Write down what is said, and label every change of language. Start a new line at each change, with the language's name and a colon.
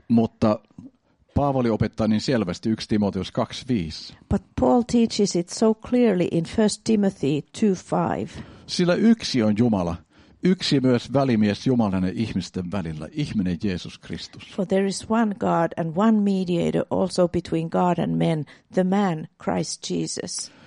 Finnish: Mutta Paavali opettaa niin selvästi 1 Timoteus 2:5.
English: But Paul teaches it so clearly in 1 Timothy 2:5.
Finnish: Sillä yksi on Jumala. Yksi myös välimies Jumalan ja ihmisten välillä, ihminen Jeesus Kristus.
English: For there is one God and one mediator also between God and men, the man Christ Jesus.